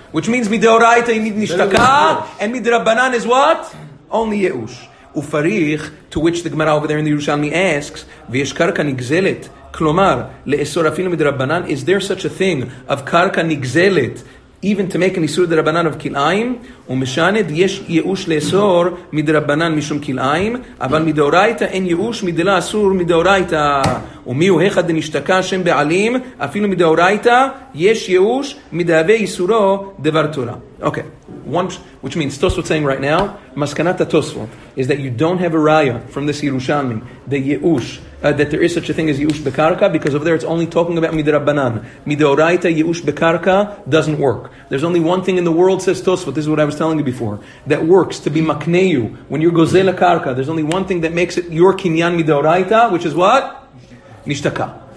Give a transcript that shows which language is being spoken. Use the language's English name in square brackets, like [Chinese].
[English] Which means midoraita you need nishtaka, and midrabanan is what? Only yeush. ופריח, to which the Gemara over there in the Yerushalmi asks, [Hebrew] ויש קרקע נגזלת, כלומר, לאסור אפילו מדרבנן, [English] is there such a thing of קרקע נגזלת, even to make an איסור דרבנן of כלאיים? [Hebrew] ומשנה, יש יאוש לאסור מדרבנן משום כלאיים, אבל מדאורייתא אין יאוש, מדלה אסור מדאורייתא. ומי הוא אחד דנשתקה שם בעלים, אפילו מדאורייתא, יש יאוש, מדהווה איסורו דבר תורה. [English] Okay. One, which means Tosfot saying right now, Maskanata Tosfot, is that you don't have a raya from this Yerushalmi, the Yeush, that there is such a thing as Yeush Bekarka, because over there it's only talking about Midrabbanan. Midoraita Yeush Bekarka doesn't work. There's only one thing in the world, says Tosfot, this is what I was telling you before, that works to be Makneyu, when you're Gozela Karka, there's only one thing that makes it your Kinyan Midoraita, which is what? Nishtaka.